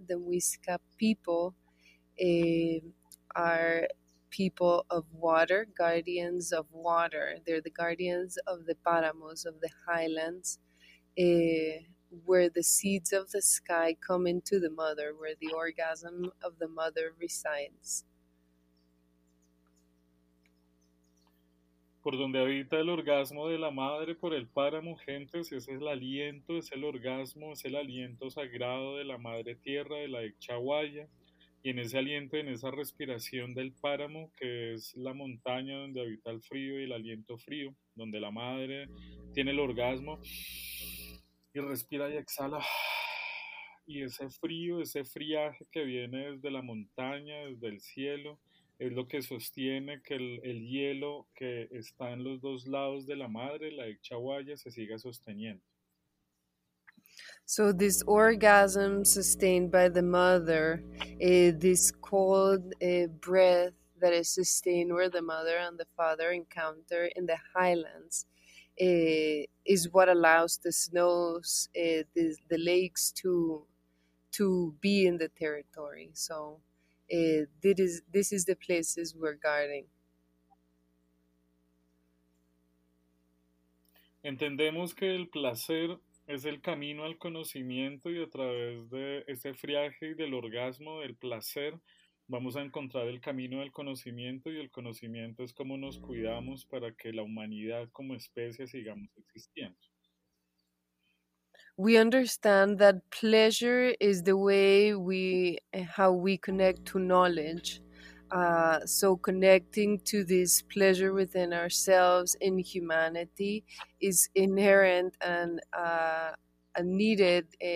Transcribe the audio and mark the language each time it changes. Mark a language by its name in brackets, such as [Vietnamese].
[English] The Muisca people are people of water, guardians of water. They're the guardians of the páramos, of the highlands, where the seeds of the sky come into the mother, where the orgasm of the mother resides. [Spanish] Por donde habita el orgasmo de la madre, por el páramo, gentes, ese es el aliento, es el orgasmo, es el aliento sagrado de la madre tierra, de la Ichahuaya, y en ese aliento, en esa respiración del páramo, que es la montaña donde habita el frío y el aliento frío, donde la madre tiene el orgasmo y respira y exhala, y ese frío, ese friaje que viene desde la montaña, desde el cielo, es lo que sostiene que el hielo que está en los dos lados de la madre, la Ichahuaya, se siga sosteniendo. [English] So this orgasm sustained by the mother, this cold breath that is sustained where the mother and the father encounter in the highlands, is what allows the snows, the lakes to be in the territory. So this is the places we're guarding. [Spanish] Entendemos que el placer es el camino al conocimiento, y a través de ese friaje y del orgasmo del placer vamos a encontrar el camino del conocimiento, y el conocimiento es cómo nos cuidamos para que la humanidad como especie sigamos existiendo. [English] We understand that pleasure is the way how we connect to knowledge. So connecting to this pleasure within ourselves in humanity is inherent and a needed